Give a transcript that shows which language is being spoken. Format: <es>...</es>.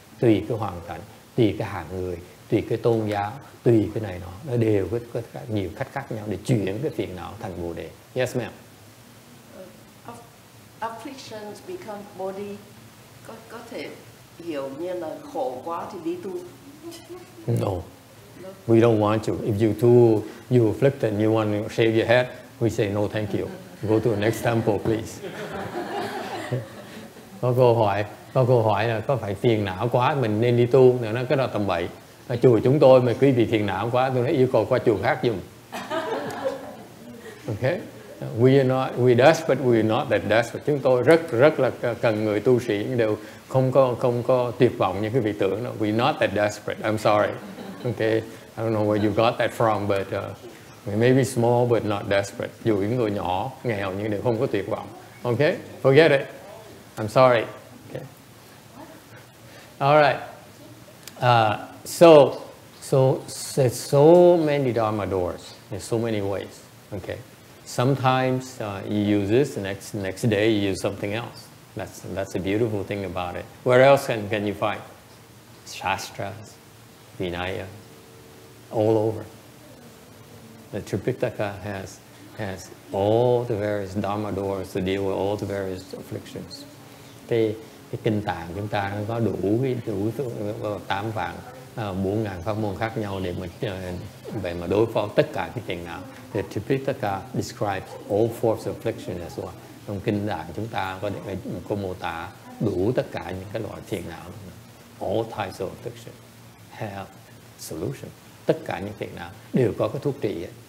<vi>Tùy cái hoàn cảnh, tùy cái hạng người, tùy cái tôn giáo, tùy cái này nó đều có nhiều cách khác nhau để chuyển cái phiền não thành Bồ Đề.</vi> <en>Yes, ma'am. Afflictions become Bodhi.</en> <vi>Có thể hiểu như là khổ quá thì đi tu.</vi> <en>No. No. We don't want to. If you too, you afflicted and you want to shave your head, we say no, thank you. Go to the next temple, please.</en> <vi>Có câu hỏi là có phải phiền não quá mình nên đi tu? Nó nói cái đó tầm bậy. Ở chùa chúng tôi mà quý vị phiền não quá, tôi nói yêu cầu qua chùa khác dùm.</vi> <en>Okay. We are not that desperate.</en> <vi>Chúng tôi rất rất là cần người tu sĩ, đều không có tuyệt vọng như quý vị tưởng đâu.</vi> <en>We're not that desperate. I'm sorry. Okay. I don't know where you got that from, but maybe small but not desperate.</en> <vi>Dù những người nhỏ, nghèo nhưng đều không có tuyệt vọng.</vi> <en>Okay? Forget it. I'm sorry. Okay. All right. So there's so many Dharma doors in so many ways. Okay. Sometimes you use this, the next day you use something else. That's a beautiful thing about it. Where else can you find? Shastras, Vinaya, all over. The Tripitaka has all the various Dharma doors to deal with all the various afflictions.</en> <vi>Cái kinh tạng chúng ta có đủ 8 vạn 4,000 pháp môn khác nhau để mà vậy mà đối phó tất cả cái phiền não.</vi> <en>The Tripitaka describes all forms of affliction as well.</en> <vi>Trong kinh tạng chúng ta có mô tả đủ tất cả những cái loại phiền não.</vi> <en>all types of affliction have solution.</en> <vi>Tất cả những việc nào đều có cái thuốc trị hết.</vi>